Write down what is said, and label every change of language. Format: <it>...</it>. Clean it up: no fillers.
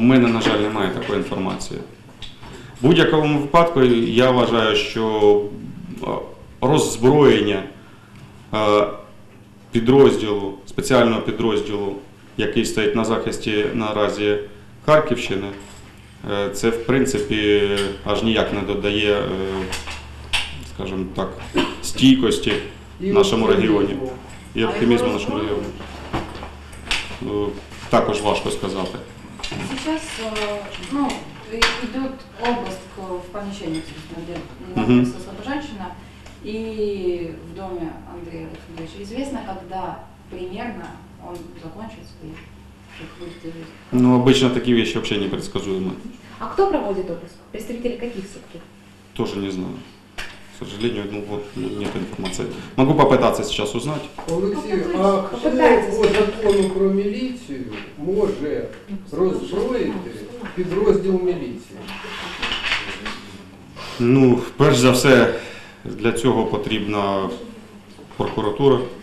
<uk>У мене, на жаль, немає такої інформації. В будь-якому випадку, я вважаю, що роззброєння підрозділу, спеціального підрозділу, який стоїть на захисті наразі Харківщини, це, в принципі, аж ніяк не додає, скажімо так, стійкості нашому регіоні і оптимізму нашому регіону. Також важко сказати. Зараз, ну, йдуть обыск в поміщенні, де знаходиться Слобожанщина.</uk> <ru>И в доме Андрея Владимировича известно, когда примерно он закончит свои жизнь? Ну, обычно такие вещи вообще непредсказуемы. А кто проводит обыск? Представители каких структур? Тоже не знаю. К сожалению, ну вот, нет информации. Могу попытаться сейчас узнать. Олексей, по закону, про милицию, может</ru> <uk>розброїти підрозділ</uk> <ru>милиции?</ru> <uk>Ну, перш за все, для цього потрібна прокуратура.</uk>